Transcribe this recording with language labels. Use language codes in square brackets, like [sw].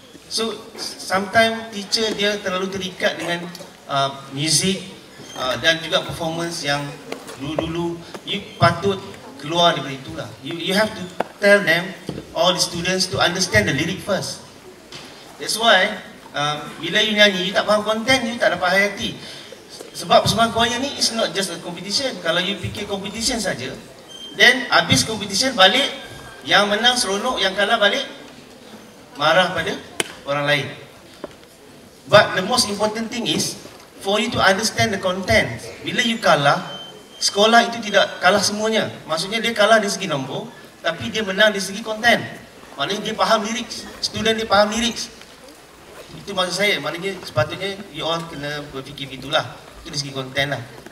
[en] So sometimes teacher [ms] dia terlalu terikat dengan music dan juga performance yang dulu-dulu. You patut keluar daripada itulah. [en] You have to tell them, all the students, to understand the lyric first. That's why [ms] bila you nyanyi, you tak faham content, you tak dapat hayati. Sebab persembahan choir ni [en] is not just a competition. [ms] Kalau you fikir competition saja, Then habis competition balik, yang menang seronok, yang kalah balik marah pada orang lain. [en] But the most important thing is for you to understand the content. [ms] Bila you kalah, sekolah itu tidak kalah semuanya. Maksudnya dia kalah di segi nombor, tapi dia menang di segi content. Maknanya dia faham lyrics, student dia faham lyrics. Itu maksud saya, maknanya sepatutnya you all kena berfikir itulah. Itu di segi content lah.